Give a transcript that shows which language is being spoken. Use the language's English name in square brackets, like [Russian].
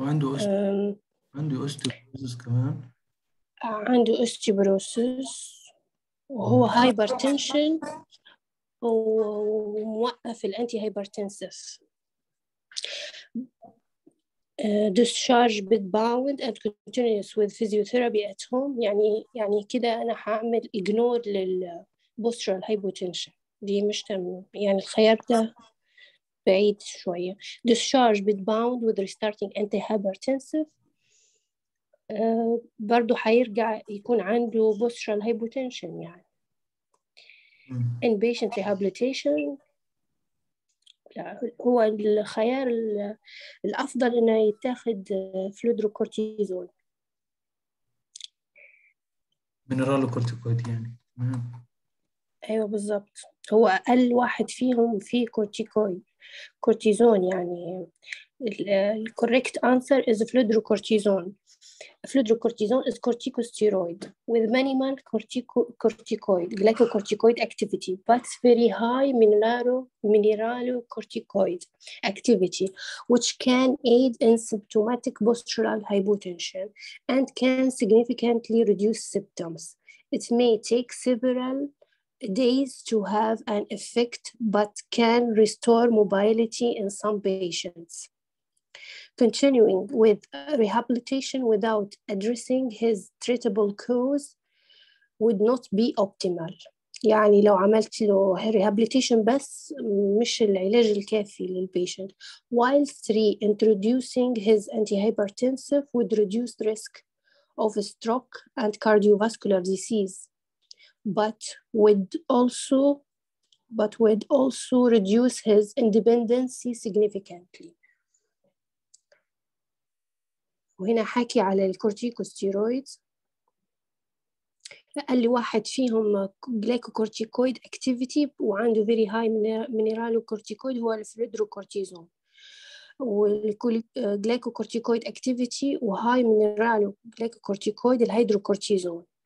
[Arabic] وعنده أوستيوبروسيس كمان. عنده أوستيوبروسيس وهو هايبرتنشن وموقف الأنتي هايبرتنسيف. [English] Discharge bed bound and continuous with physiotherapy at home. [Arabic] يعني كده أنا هعمل ignore لل postural hypotension. دي مش تمام. يعني الخيار ده بعيد شوية. [English] Discharge bed bound with restarting antihypertensive. [Arabic] برضو هيرجع يكون عنده postural hypotension يعني. [English] Inpatient rehabilitation. [Arabic] هو الخيار الأفضل إنه يتاخد فلودروكورتيزون مينرالوكورتيكويد يعني. أيوة بالضبط، هو أقل واحد فيهم فيه كورتيزون. يعني الـ [English] correct answer is fludrocortisone. Fludrocortisone is corticosteroid with minimal corticoid glycocorticoid activity but very high mineralocorticoid activity which can aid in symptomatic postural hypotension and can significantly reduce symptoms. It may take several days to have an effect but can restore mobility in some patients. Continuing with rehabilitation without addressing his treatable cause would not be optimal. [Arabic] يعني لو عملت له rehabilitation بس مش العلاج الكافي للpatient. [English] Whilst reintroducing his antihypertensive would reduce risk of a stroke and cardiovascular disease, but would also reduce his independency significantly. [Arabic] وهنا حكي على الكورتيكوستيرويد، قال لي واحد فيهم جليكوكورتيكويد اكتيفيتي وعنده فيري هاي مينيرالوكورتيكويد هو الفلودروكورتيزون، والجليكوكورتيكويد اكتيفيتي وهاي مينيرالوكورتيكويد الهيدروكورتيزون.